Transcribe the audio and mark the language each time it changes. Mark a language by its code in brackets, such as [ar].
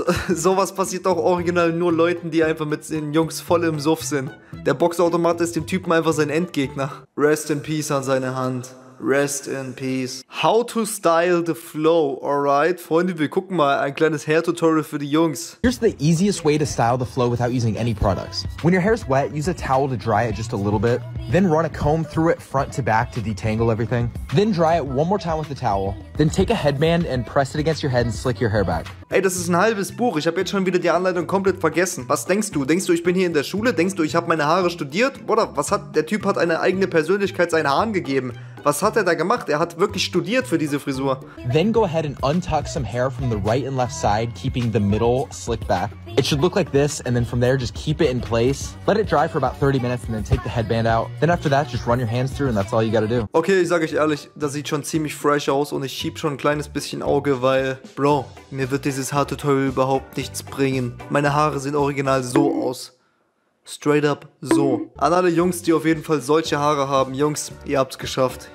[de] Sowas passiert auch original nur Leuten, die einfach mit den Jungs voll im Suff sind. Der Boxautomat ist dem Typen einfach sein Endgegner. Rest in peace an seine Hand. [en] Rest in peace. How to style the flow, alright? [de] Freunde, wir gucken mal ein kleines Hair-Tutorial für die Jungs. [en] Here's the easiest way to style the flow without using any products. When your hair is wet, use a towel to dry it just a little bit. Then run a comb through it front to back to detangle everything. Then dry it one more time with the towel. Then take a headband and press it against your head and slick your hair back. [de] Ey, das ist ein halbes Buch. Ich habe jetzt schon wieder die Anleitung komplett vergessen. Was denkst du? Denkst du, ich bin hier in der Schule? Denkst du, ich habe meine Haare studiert? Oder was hat... Der Typ hat eine eigene Persönlichkeit seinen Haaren gegeben. Was hat er da gemacht? Er hat wirklich studiert für diese Frisur. [en] Then go ahead and untuck some hair from the right and left side, keeping the middle slicked back. It should look like this, and then from there, just keep it in place. Let it dry for about 30 minutes, and then take the headband out. Then after that, just run your hands through, and that's all you gotta do. [de] Okay, ich sag euch ehrlich, das sieht schon ziemlich fresh aus, und ich schieb schon ein kleines bisschen Auge, weil, Bro, mir wird dieses Haartutorial überhaupt nichts bringen. Meine Haare sehen original so aus. [en] Straight up so. [de] An alle Jungs, die auf jeden Fall solche Haare haben. Jungs, ihr habt's geschafft.